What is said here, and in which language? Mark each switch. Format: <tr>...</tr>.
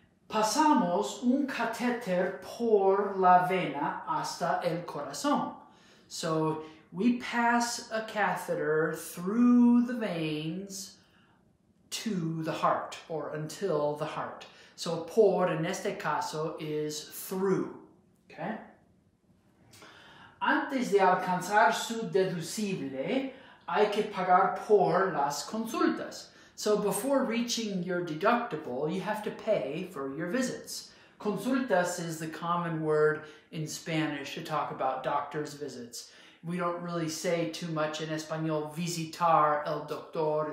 <es>Pasamos un catéter por la vena hasta el corazón.</es> <en>So we pass a catheter through the veins to the heart or until the heart. So por in</en> <es>este caso</es> <en>is through, okay?</en> <es>Antes de alcanzar su deducible, hay que pagar por las consultas.</es> <en>So before reaching your deductible, you have to pay for your visits. Consultas is the common word in Spanish to talk about doctor's visits. We don't really say too much in Espanol,</en> <es>visitar el doctor.</es>